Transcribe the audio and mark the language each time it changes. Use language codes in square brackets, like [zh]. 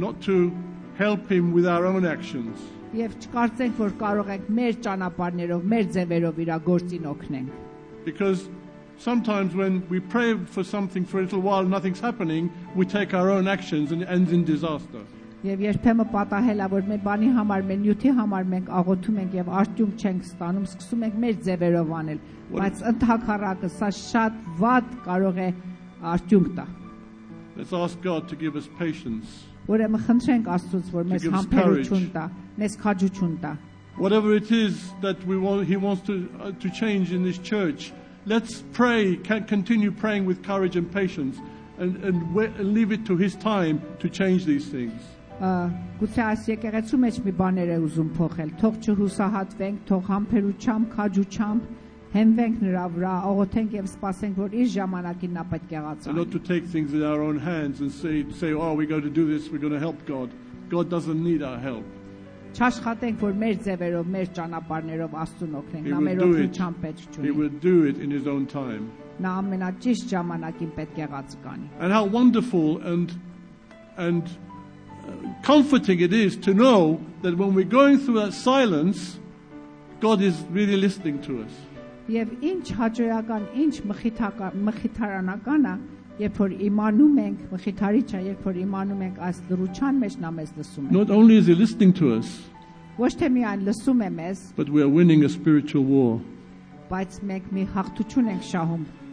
[en] not to help Him with our own actions. [hy] Եվ չկարծենք, որ կարող ենք մեր ճանապարներով, մեր ձևերով իրա գործին օգնենք. [en] Because sometimes when we pray for something for a little while and nothing's happening, we take our own actions and it ends in disaster. [hy] Եվ երբեմն պատահելա, որ մեր բանի համար, մեր նյութի համար մենք աղոթում ենք եւ արդյունք չենք ստանում, սկսում ենք մեր ձևերով անել, բայց ընդհակառակը սա շատ վատ կարող է արդյունք տա. [en] Let's ask God to give us patience. [hy] Որեմն խնդրենք Աստծուց, որ մեզ համբերություն տա, մեզ քաջություն տա, [en] whatever it is that he wants to change in this church, let's pray, continue praying with courage and patience, and leave it to his time to change these things. [hy] Գուցե այս եկեղեցու մեջ մի բաներ է ուզում փոխել, թող չհուսահատվենք, թող համբերությամբ, քաջությամբ հենվենք նրա վրա, աղոթենք եւ սպասենք, որ իր ժամանակին նա պետք է ղացան. [en] Not to take things in our own hands and say oh, we're going to do this, we're going to help God. God doesn't need our help. [hy] Չաշխատենք, որ մեր ձևերով, մեր ճանապարներով Աստուն օգնենք, նա մեր օգնությամբ պետք չունի. [en] He will do it in his own time. [hy] Նա ամենաճիշտ ժամանակին պետք է ղացկանի. [en] And how wonderful and comforting it is to know that when we're going through that silence, God is really listening to us. [hy] Եվ ինչ հաջողական, ինչ մխիթարանական է, երբ որ իմանում ենք, մխիթարիչ է, երբ որ իմանում ենք այս դրության մեջ նա մեզ լսում է. [en] Not only is he listening to us, [hy] ոչ թե միայն լսում է մեզ, [en] but we are winning a spiritual war. [hy] Բայց մենք մի հաղթություն ենք շահում.